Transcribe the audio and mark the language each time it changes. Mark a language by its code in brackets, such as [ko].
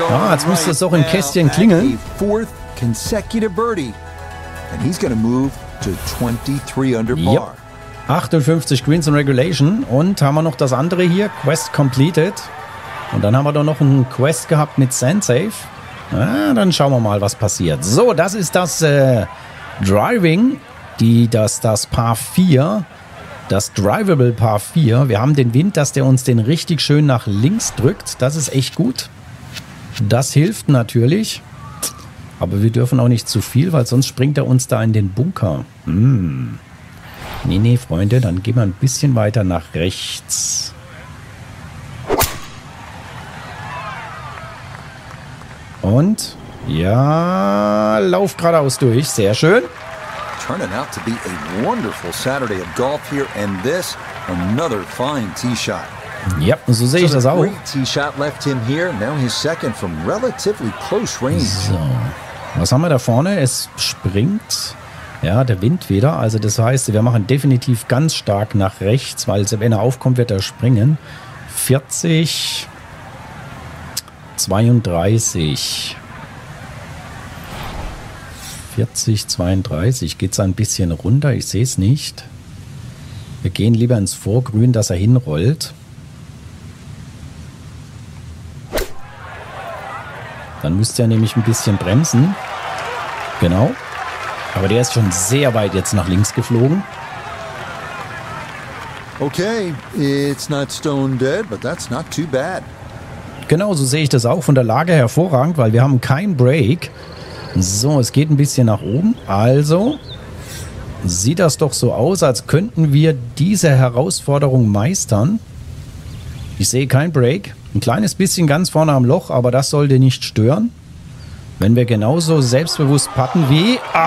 [de] Jetzt müsste es doch im Kästchen klingeln. [en] Consecutive birdie. And he's gonna move to 23 under par. Yep. 58 Greens in Regulation. [de] Und haben wir noch das andere hier? [en] Quest completed. [de] Und dann haben wir doch noch einen Quest gehabt mit Sandsave. Dann schauen wir mal, was passiert. So, das ist das Driving. Das Par 4. Das Drivable Par 4. Wir haben den Wind, dass der uns den richtig schön nach links drückt. Das ist echt gut. Das hilft natürlich. Aber wir dürfen auch nicht zu viel, weil sonst springt er uns da in den Bunker. Nee, Freunde, dann gehen wir ein bisschen weiter nach rechts. Und? Ja, lauf geradeaus durch. Sehr schön. [en] Turning out to be a wonderful Saturday of golf here and this, another fine tee shot. [de] Yep, so sehe ich das auch. [en] Tee shot left him here. Now his second from relatively close range. [de] So, was haben wir da vorne? Es springt, ja, der Wind wieder. Also das heißt, wir machen definitiv ganz stark nach rechts, weil wenn er aufkommt, wird er springen. 40, 32. 40, 32. Geht es ein bisschen runter? Ich sehe es nicht. Wir gehen lieber ins Vorgrün, dass er hinrollt. Dann müsste er nämlich ein bisschen bremsen. Genau. Aber der ist schon sehr weit jetzt nach links geflogen. [en] Okay, it's not stone dead, but that's not too bad. [de] Genau, so sehe ich das auch. Von der Lage hervorragend, weil wir haben keinen Break. So, es geht ein bisschen nach oben. Also, sieht das doch so aus, als könnten wir diese Herausforderung meistern. Ich sehe keinen Break. Ein kleines bisschen ganz vorne am Loch, aber das sollte nicht stören. Wenn wir genauso selbstbewusst putten wie...